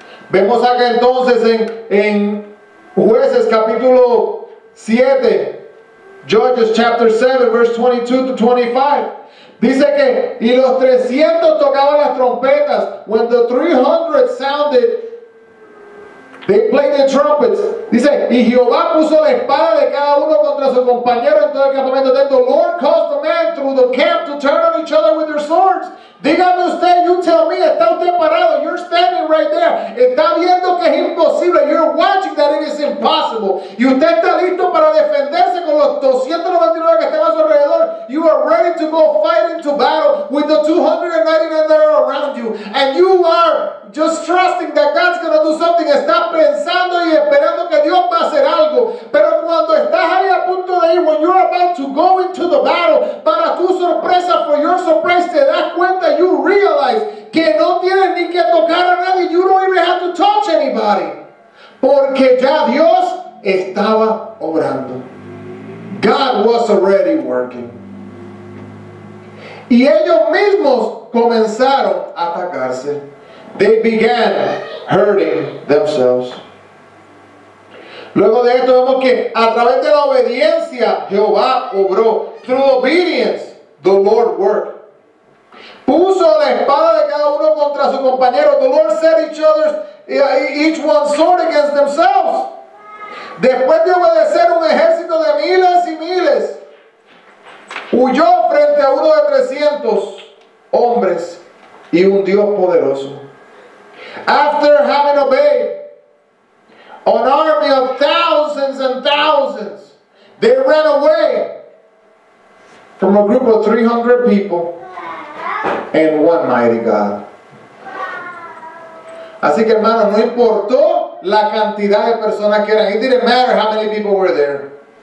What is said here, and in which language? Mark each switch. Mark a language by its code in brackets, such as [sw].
[es] Vemos acá entonces en Jueces capítulo 7, [en] Judges chapter 7, verse 22 to 25. [es] Dice que, y los 300 tocaban las trompetas. [en] When the 300 sounded, they played the trumpets. [es] Dice, y Jehová puso la espada de cada uno contra su compañero en todo el campamento. [en] Then the Lord caused the man through the camp to turn on each other with their swords. [es] Dígame usted, [en] you tell me, [es] está usted parado, [en] you're standing right there. [es] Está viendo que es imposible, [en] you're watching that it is impossible. [es] Y usted está listo para defenderse con los 299 que están a su alrededor. [en] You are ready to go fight into battle with the 299 that are around you. And you are just trusting that God's going to do something. [es] Está pensando y esperando que Dios va a hacer algo. Pero cuando estás ahí a punto de ir, [en] when you're about to go into the battle, [es] para tu sorpresa, [en] for your surprise, [es] te das cuenta, [en] you realize [es] que no tienes ni que tocar a nadie. [en] You don't even have to touch anybody. [es] Porque ya Dios estaba obrando. [en] God was already working. [es] Y ellos mismos comenzaron a atacarse. [en] They began hurting themselves. [es] Luego de esto vemos que a través de la obediencia Jehová obró. [en] Through obedience, the Lord worked. [es] Puso la espada de cada uno contra su compañero. [en] The Lord set each one's sword against themselves. [es] Después de obedecer, un ejército de miles y miles huyó frente a uno de 300 hombres y un Dios poderoso. [en] After having obeyed an army of thousands and thousands, they ran away from a group of 300 people and one mighty God. [es] Así que hermano, no importó la cantidad de personas que eran. [en] It didn't matter how many people were there.